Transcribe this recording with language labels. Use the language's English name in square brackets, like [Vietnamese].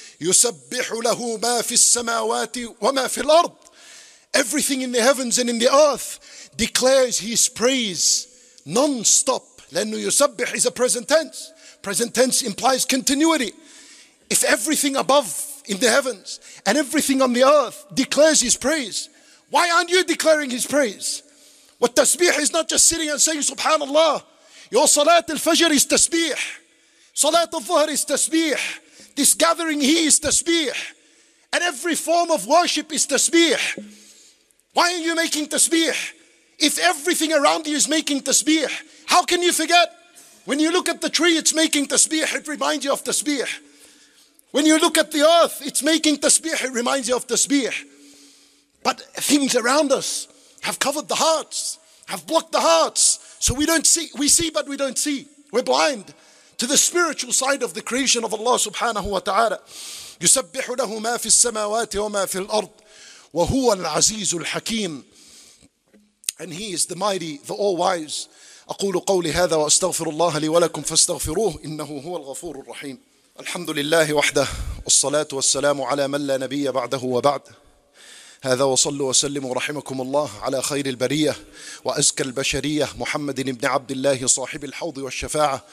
[Arabic] يسبح له ما في السماوات وما في الأرض. [English] Everything in the heavens and in the earth declares his praise non-stop. [Arabic] لأنه يسبح [English] is a present tense. Present tense implies continuity. If everything above in the heavens and everything on the earth declares his praise, why aren't you declaring his praise? What tasbih is not just sitting and saying subhanallah. Your salat al-fajr is tasbih. Salat al-zuhr is tasbih. This gathering here is tasbih. And every form of worship is tasbih. Why are you making tasbih? If everything around you is making tasbih, how can you forget? When you look at the tree, it's making tasbih. It reminds you of tasbih. When you look at the earth, it's making tasbih. It reminds you of tasbih. But things around us have covered the hearts, have blocked the hearts. So we don't see, we see but we don't see. We're blind to the spiritual side of the creation of Allah subhanahu wa ta'ala. [Arabic] يسبح له ما في السماوات وما في الأرض وهو العزيز الحكيم. [English] And he is the mighty, the all-wise. [Arabic] أقول قولي هذا وأستغفر الله لي ولكم فاستغفروه إنه هو الغفور الرحيم. الحمد لله وحده والصلاة والسلام على من لا نبي بعده وبعد. هذا وصلوا وسلموا رحمكم الله على خير البرية وأزكى البشرية محمد بن عبد الله صاحب الحوض والشفاعة.